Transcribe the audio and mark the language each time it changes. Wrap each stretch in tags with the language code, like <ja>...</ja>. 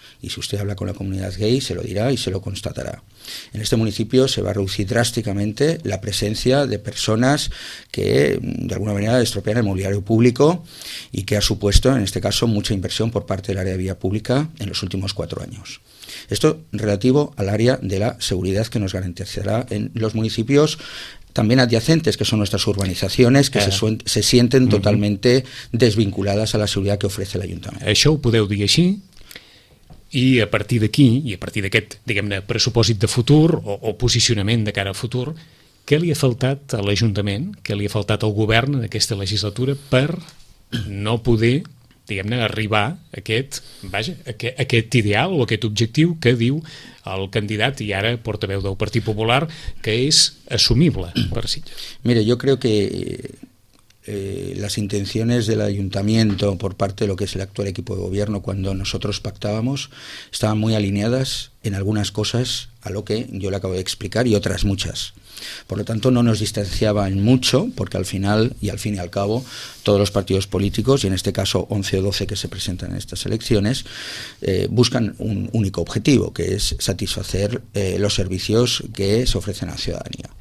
<es>Y si usted habla con la comunidad gay, se lo dirá y se lo constatará. En este municipio se va a reducir drásticamente la presencia de personas que, de alguna manera, estropean el mobiliario público y que ha supuesto, en este caso, mucha inversión por parte del área de vía pública en los últimos 4 años. Esto relativo al área de la seguridad que nos garantizará en los municipios también adyacentes, que son nuestras urbanizaciones, que se sienten uh-huh. totalmente desvinculadas a la seguridad que ofrece el ayuntamiento.</es> <ca>Això ho podeu dir així, i a partir d'aquí, i a partir d'aquest, diguem-ne, pressupòsit de futur o posicionament de cara a futur, què li ha faltat a l'Ajuntament, què li ha faltat al govern en aquesta legislatura per no poder... diguem-ne, arribar a aquest ideal o aquest objectiu que diu el candidat i ara portaveu del Partit Popular, que és assumible per Sitges.</ca> <es>Mira, yo creo que las intenciones del ayuntamiento por parte de lo que es el actual equipo de gobierno cuando nosotros pactábamos estaban muy alineadas en algunas cosas a lo que yo le acabo de explicar y otras muchas. Por lo tanto, no nos distanciaba en mucho, porque al final y al fin y al cabo, todos los partidos políticos, y en este caso 11 o 12 que se presentan en estas elecciones, buscan un único objetivo, que es satisfacer los servicios que se ofrecen a la ciudadanía.</es>